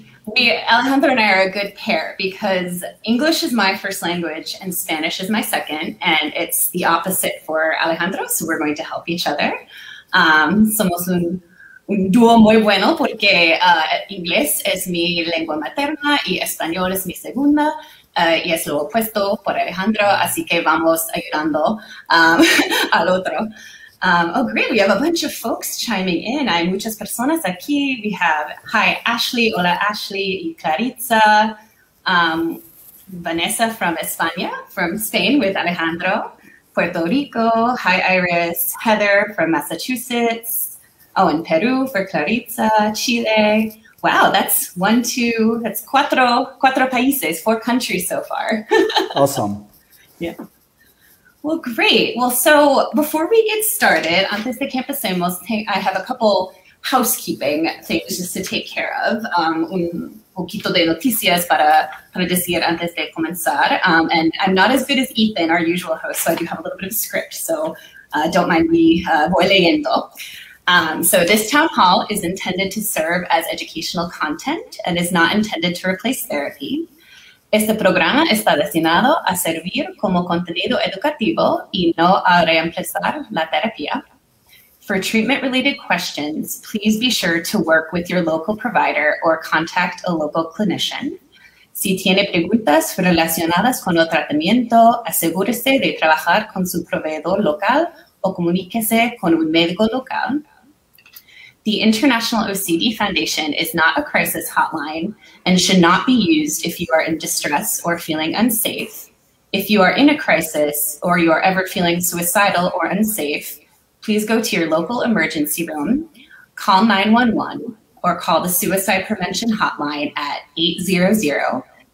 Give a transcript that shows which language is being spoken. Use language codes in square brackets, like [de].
[en] Alejandro and I are a good pair because English is my first language and Spanish is my second, and it's the opposite for Alejandro, so we're going to help each other. [es] Somos un dúo muy bueno porque inglés es mi lengua materna y español es mi segunda, y es lo opuesto por Alejandro, así que vamos ayudando al otro. [en] Oh, great. We have a bunch of folks chiming in. [es] Hay muchas personas aquí. [en] We have, hi, Ashley. [es] Hola, [en] Ashley. Y Clarissa. Vanessa from España, from Spain with Alejandro. Puerto Rico. Hi, Iris. Heather from Massachusetts. Oh, in Peru for Clarissa. Chile. Wow, that's one, two, that's [es] cuatro países, [en] four countries so far. Awesome. Yeah. Well, great. Well, so before we get started, [es] antes de que empecemos, [en] I have a couple housekeeping things just to take care of. [es] Un poquito de noticias para decir antes de comenzar. [en] And I'm not as good as Ethan, our usual host, so I do have a little bit of script. So don't mind me, [es] voy leyendo. [en] So this town hall is intended to serve as educational content and is not intended to replace therapy. [es] Este programa está destinado a servir como contenido educativo y no a reemplazar la terapia. [en] For treatment-related questions, please be sure to work with your local provider or contact a local clinician. [es] Si tiene preguntas relacionadas con el tratamiento, asegúrese de trabajar con su proveedor local o comuníquese con un médico local. [en] The International OCD Foundation is not a crisis hotline and should not be used if you are in distress or feeling unsafe. If you are in a crisis or you are ever feeling suicidal or unsafe, please go to your local emergency room, call 911, or call the suicide prevention hotline at 800-273-8255.